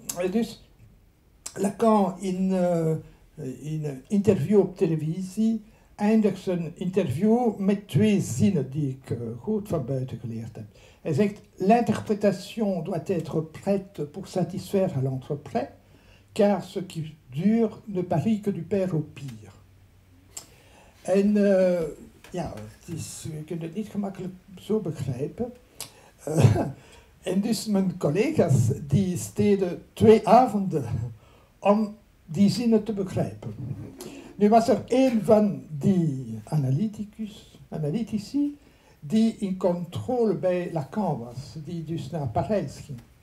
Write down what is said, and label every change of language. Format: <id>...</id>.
<nl>Dus Lacan in een interview op televisie eindigt zijn interview met twee zinnen die ik goed van buiten geleerd heb. Hij zegt,</nl> <fr>l'interprétation doit être prête pour satisfaire à l'entreprise, car ce qui dure ne parie que du père au pire.</fr> <nl>En ja, je kunt het niet gemakkelijk zo begrijpen. En dus mijn collega's die steden twee avonden om die zinnen te begrijpen. Nu was er een van die analytici, die in controle bij Lacan was, die dus naar Parijs ging.</nl>